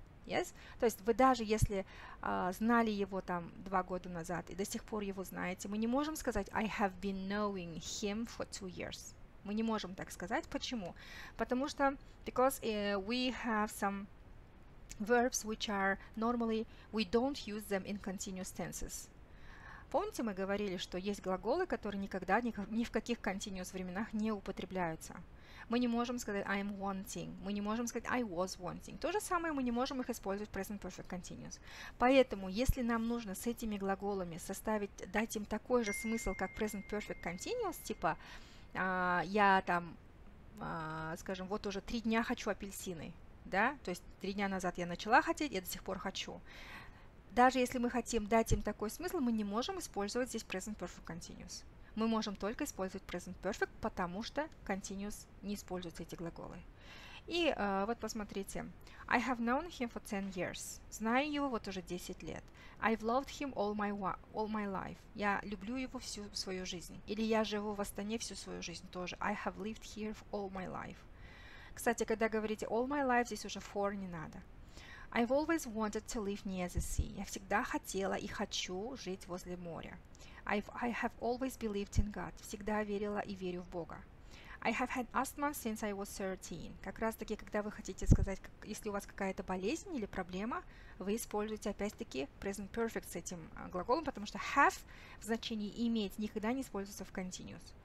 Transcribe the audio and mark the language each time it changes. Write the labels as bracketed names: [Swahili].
[English] Yes? [Russian] То есть вы даже если знали его там 2 года назад и до сих пор его знаете, мы не можем сказать [English] I have been knowing him for 2 years. [Russian] Мы не можем так сказать. Почему? Потому что [English] because we have some verbs which are normally we don't use them in continuous tenses. [Russian] Помните, мы говорили, что есть глаголы, которые никогда ни в каких continuous временах не употребляются. Мы не можем сказать [English] I am wanting. [Russian] Мы не можем сказать [English] I was wanting. [Russian] То же самое мы не можем их использовать в present perfect continuous. Поэтому, если нам нужно с этими глаголами составить, дать им такой же смысл, как present perfect continuous, типа я там, скажем, вот уже 3 дня хочу апельсины, да? То есть 3 дня назад я начала хотеть, я до сих пор хочу. Даже если мы хотим дать им такой смысл, мы не можем использовать здесь present perfect continuous. Мы можем только использовать present perfect, потому что continuous не используются эти глаголы. И вот посмотрите. [English] I have known him for 10 years. [Russian] Знаю его вот уже 10 лет. [English] I've loved him all my life. [Russian] Я люблю его всю свою жизнь. Или я живу в Астане всю свою жизнь тоже. [English] I have lived here for all my life. [Russian] Кстати, когда говорите [English] all my life, [Russian] здесь уже [English] for [Russian] не надо. [English] I've always wanted to live near the sea. [Russian] Я всегда хотела и хочу жить возле моря. [English] I have always believed in God. [Russian] Всегда верила и верю в Бога. [English] I have had asthma since I was 13. [Russian] Как раз таки, когда вы хотите сказать, как, если у вас какая-то болезнь или проблема, вы используете опять-таки present perfect с этим глаголом, потому что have в значении иметь никогда не используется в continuous.